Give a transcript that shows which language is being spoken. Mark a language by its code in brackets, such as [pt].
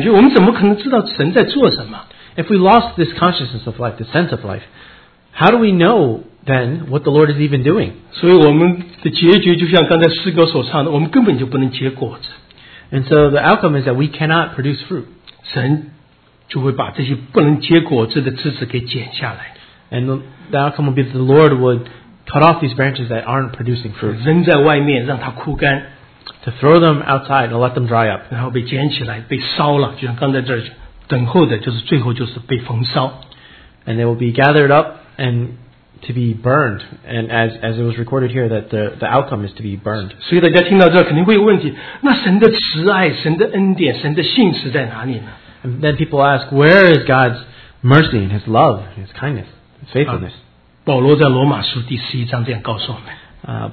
[zh] 假如我们都已经失去了这个生命的感觉，我们怎么可能知道神在做什么？ [en] If we lost this consciousness of life, the sense of life, how do we know then what the Lord is even doing? [zh] 所以我们的结局就像刚才诗歌所唱的，我们根本就不能结果子。 [en] And so the outcome is that we cannot produce fruit. [zh] 神就会把这些不能结果子的枝子给剪下来。 [en] And the outcome will be that the Lord would cut off these branches that aren't producing fruit. [zh] 扔在外面让它枯干。 [en] To throw them outside and let them dry up. [zh] 然后被捡起来，被烧了，就像刚在这儿等候的，就是最后就是被焚烧。 [en] And they will be gathered up and to be burned. And as it was recorded here, that the outcome is to be burned. [zh] 所以大家听到这肯定会有问题，那神的慈爱、神的恩典、神的信实在哪里呢？ [en] And then people ask, where is God's mercy and His love, His kindness, His faithfulness? [zh] 保罗在罗马书第11章这样告诉我们。